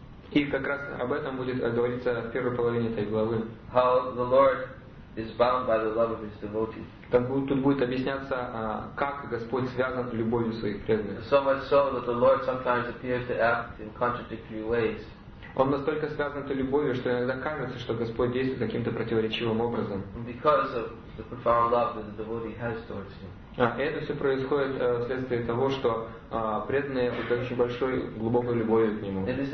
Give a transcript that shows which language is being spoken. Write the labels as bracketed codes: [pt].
[ru] И как раз об этом будет говориться в первой половине этой главы. [en] How the Lord is bound by the love of His devotees. [ru] Тут будет объясняться, как Господь связан любовью своих преданных. [en] So much so that the Lord sometimes appears to act in contradictory ways. [ru] Он настолько связан этой любовью, что иногда кажется, что Господь действует каким-то противоречивым образом. Это все происходит вследствие того, что преданные с очень большой, глубокой любовью к Нему.